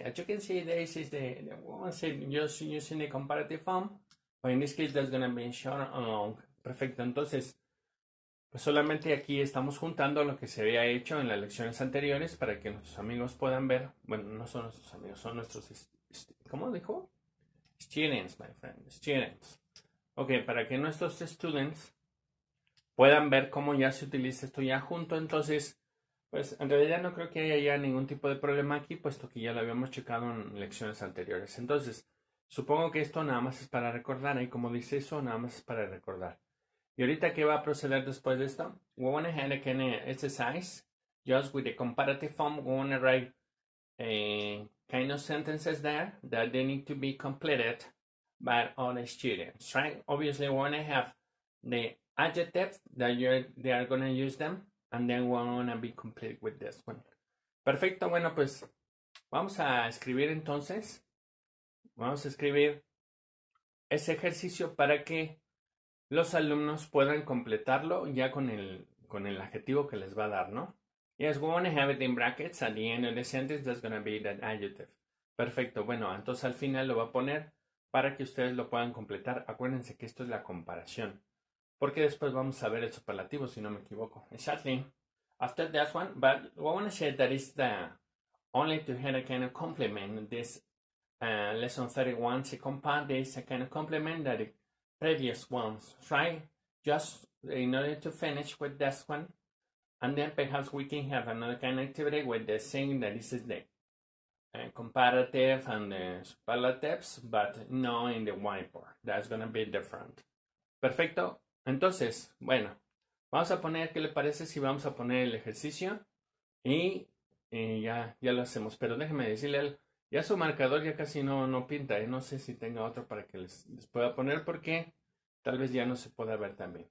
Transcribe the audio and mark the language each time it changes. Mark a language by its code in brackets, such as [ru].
[en] As you can see, this is the one just using the comparative form. But in this case, that's going to be short and long. [es] Perfecto. Entonces, pues solamente aquí estamos juntando lo que se había hecho en las lecciones anteriores para que nuestros amigos puedan ver. Bueno, no son nuestros amigos, son nuestros... ¿Cómo dijo? [en] Students, my friend. Students. [es] Ok, para que nuestros students puedan ver cómo ya se utiliza esto ya junto. Entonces, pues en realidad no creo que haya ya ningún tipo de problema aquí, puesto que ya lo habíamos checado en lecciones anteriores. Entonces, supongo que esto nada más es para recordar, y como dice eso, nada más es para recordar. Y ahorita, ¿qué va a proceder después de esto? [en] We want to have an exercise, just with the comparative form. We want to write kind of sentences there that they need to be completed by all the students, right? Obviously, we want to have the adjectives that they are going to use them. And then we're going to be complete with this one. [es] Perfecto. Bueno, pues vamos a escribir entonces. Vamos a escribir ese ejercicio para que los alumnos puedan completarlo ya con el adjetivo que les va a dar, ¿no? [en] Yes, we're going to have it in brackets at the end of the sentence. That's going to be that adjective. [es] Perfecto. Bueno, entonces al final lo va a poner para que ustedes lo puedan completar. Acuérdense que esto es la comparación. Porque después vamos a ver el superlativo, si no me equivoco. [en] Exactly. After that one, but what I want to say that is the only to have a kind of complement. This lesson 31, second part, this a kind of complement that the previous ones, right? Just in order to finish with this one. And then perhaps we can have another kind of activity with the thing that this is the comparative and the superlatives, but not in the whiteboard. That's going to be different. [es] Perfecto. Entonces, bueno, vamos a poner, ¿qué le parece si vamos a poner el ejercicio? Y ya lo hacemos, pero déjeme decirle, Ya su marcador ya casi no pinta, ¿eh? No sé si tenga otro para que les pueda poner porque tal vez ya no se pueda ver también.